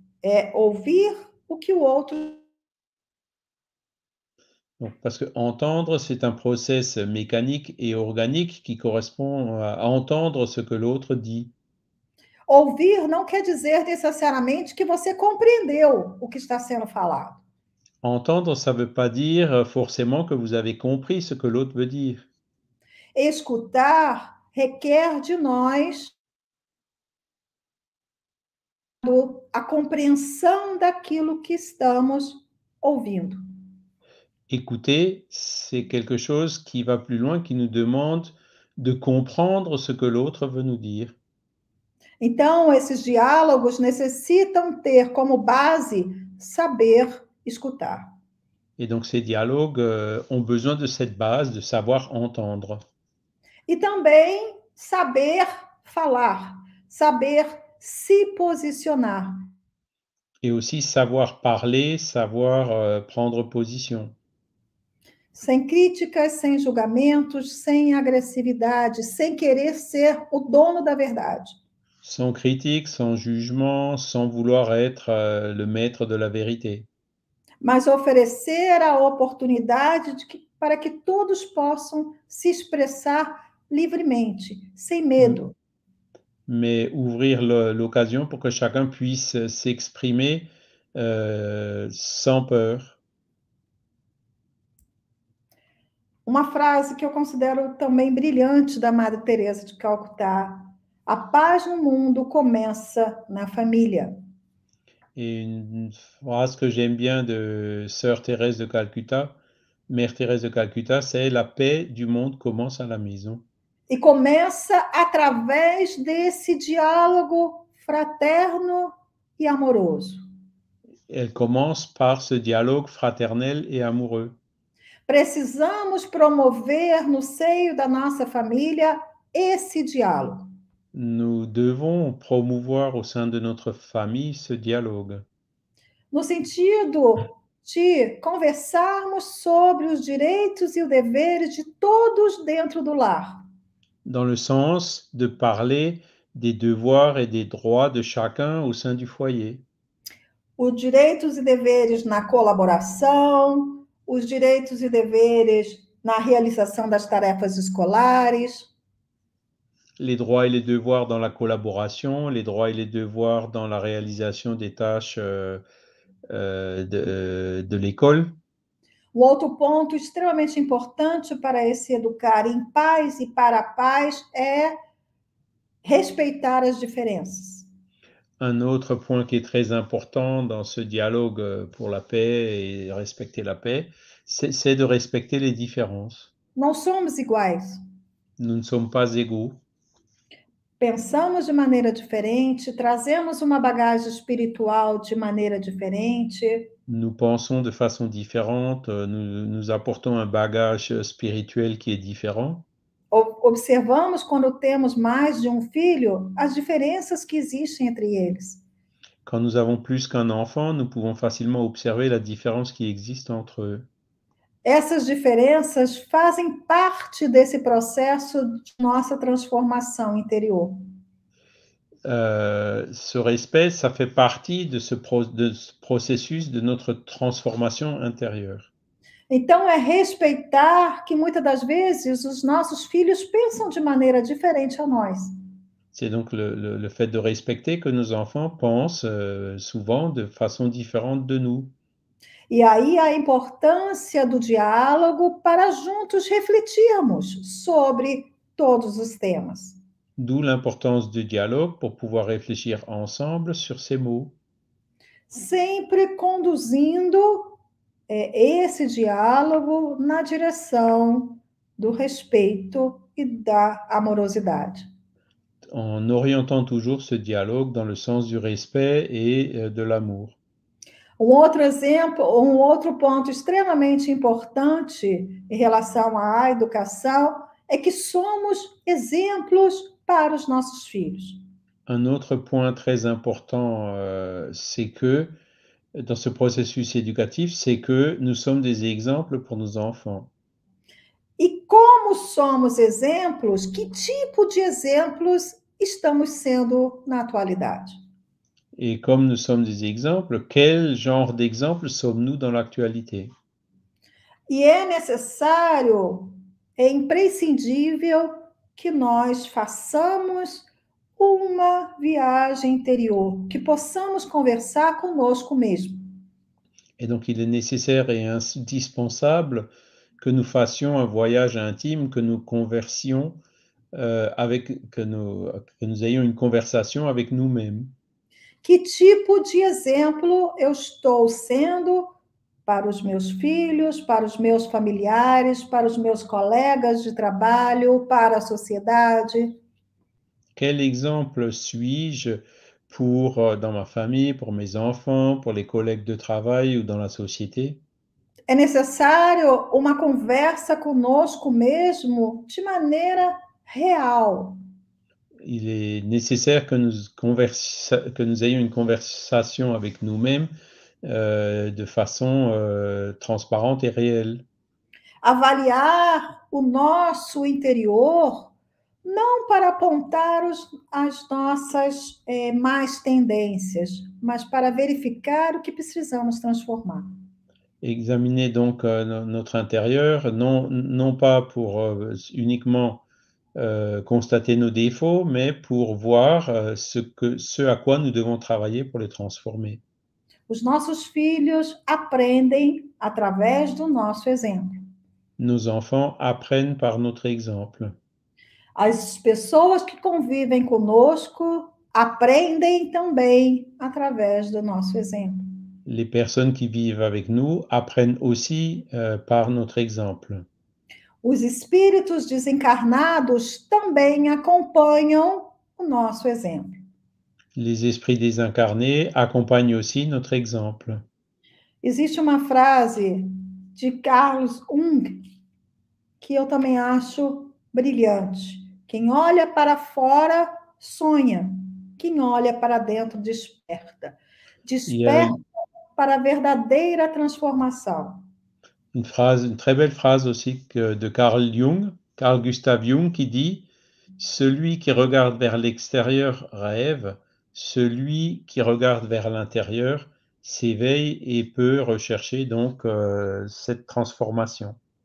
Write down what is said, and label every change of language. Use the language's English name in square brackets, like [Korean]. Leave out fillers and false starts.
[Portuguese] É ouvir o que o outro. [French] Donc, parce que entendre, c'est un process mécanique et organique qui correspond à entendre ce que l'autre dit. [Portuguese] Ouvir não quer dizer necessariamente que você compreendeu o que está sendo falado. [French] Entendre, ça ne veut pas dire forcément que vous avez compris ce que l'autre veut dire. [Portuguese] Escutar requer de nós a compreensão daquilo que estamos ouvindo. [French] Écouter, c'est quelque chose qui va plus loin, qui nous demande de comprendre ce que l'autre veut nous dire. [Portuguese] Então, esses diálogos necessitam ter como base saber escutar. [French] Et donc ces dialogues ont besoin de cette base de savoir entendre. [Portuguese] E também saber falar, saber se posicionar. [French] Et aussi savoir parler, savoir prendre position. [Portuguese] Sem críticas, sem julgamentos, sem agressividade, sem querer ser o dono da verdade. [French] sans critique, sans jugement, sans vouloir être le maître de la vérité. [Portuguese] Mas oferecer a oportunidade para que todos possam se expressar livremente, sem medo. [French] Mais ouvrir l'occasion pour que chacun puisse s'exprimer sans peur. [Portuguese] Uma frase que eu considero também brilhante da Madre Teresa de Calcutá: a paz no mundo começa na família. [French] Et une phrase que j'aime bien de Sœur Thérèse de Calcutta, Mère Thérèse de Calcutta, c'est « La paix du monde commence à la maison [Portuguese] E começa através desse diálogo fraterno e amoroso. ». [French] Elle commence par ce dialogue fraternel et amoureux. [Portuguese] Precisamos promover no seio da nossa família esse diálogo. [French] Nous devons promouvoir au sein de notre famille ce dialogue. [Portuguese] No sentido de conversarmos sobre os direitos e os deveres de todos dentro do lar. [French] Dans le sens de parler des devoirs et des droits de chacun au sein du foyer. [Portuguese] Os direitos e deveres na colaboração, os direitos e deveres na realização das tarefas escolares. [French] Les droits et les devoirs dans la collaboration, les droits et les devoirs dans la réalisation des tâches de l'école. [Portuguese] O outro ponto extremamente importante para esse educar em paz e para a paz é respeitar as diferenças. [French] Un autre point qui est très important dans ce dialogue pour la paix et respecter la paix, c'est de respecter les différences. [Portuguese] Não somos iguais. [French] Nous ne sommes pas égaux. [Portuguese] Pensamos de maneira diferente, trazemos uma bagagem espiritual de maneira diferente. [French] Nous pensons de façon différente, nous apportons un bagage spirituel qui est différent. [Portuguese] Observamos quando temos mais de um filho as diferenças que existem entre eles. [French] Quand nous avons plus qu'un enfant, nous pouvons facilement observer la différence qui existe entre eux. [Portuguese] Essas diferenças fazem parte desse processo de nossa transformação interior. [French] Ce respect, ça fait partie de ce processus de notre transformation intérieure. [Portuguese] Então, é respeitar que muitas das vezes os nossos filhos pensam de maneira diferente a nós. [French] C'est donc le fait de respecter que nos enfants pensent souvent de façon différente de nous. [Portuguese] E aí a importância do diálogo para juntos refletirmos sobre todos os temas. [French] D'où l'importance du dialogue pour pouvoir réfléchir ensemble sur ces mots. [Portuguese] Sempre conduzindo esse diálogo na direção do respeito e da amorosidade. [French] En orientant toujours ce dialogue dans le sens du respect et de l'amour. [Portuguese] Um outro exemplo, um outro ponto extremamente importante em relação à educação é que somos exemplos para os nossos filhos. [French] Un autre point très important, c'est que dans ce processus éducatif, c'est que nous sommes des exemples pour nos enfants. [Portuguese] E como somos exemplos, que tipo de exemplos estamos sendo na atualidade? [French] Et comme nous sommes des exemples, quel genre d'exemples sommes-nous dans l'actualité? [Portuguese] E é necessário, é imprescindível que nós façamos uma viagem interior, que possamos conversar conosco mesmo. [French] Et donc, il est nécessaire et indispensable que nous fassions un voyage intime, que nous conversions avec, que nous ayons une conversation avec nous-mêmes. [Portuguese] Que tipo de exemplo eu estou sendo para os meus filhos, para os meus familiares, para os meus colegas de trabalho, para a sociedade? [French] Quel exemple suis-je pour dans ma famille, pour mes enfants, pour les collègues de travail ou dans la société? [Portuguese] É necessário uma conversa conosco mesmo de maneira real. [French] Il est nécessaire que nous ayons une conversation avec nous-mêmes de façon transparente et réelle. [Portuguese] Avaliar o nosso interior Não para apontar as nossas más tendências, mas para verificar o que precisamos transformar. [French] Examiner donc notre intérieur, non pas pour uniquement constater nos défauts, mais pour voir ce à quoi nous devons travailler pour les transformer. [Portuguese] Os nossos filhos aprendem através do nosso exemplo. [French] Nos enfants apprennent par notre exemple. [Portuguese] As pessoas que convivem conosco aprendem também através do nosso exemplo. [French] Les personnes qui vivent avec nous apprennent aussi par notre exemple. [Portuguese] Os espíritos desencarnados também acompanham o nosso exemplo. [French] Les esprits désincarnés accompagnent aussi notre exemple. [Portuguese] Existe uma frase de Carl Jung que eu também acho brilhante. Quem olha para fora sonha, quem olha para dentro desperta. Desperta para a verdadeira transformação. [French] Une très belle phrase aussi de Carl Gustav Jung, qui dit: Celui qui regarde vers l'extérieur rêve, celui qui regarde vers l'intérieur s'éveille et peut rechercher donc cette transformation.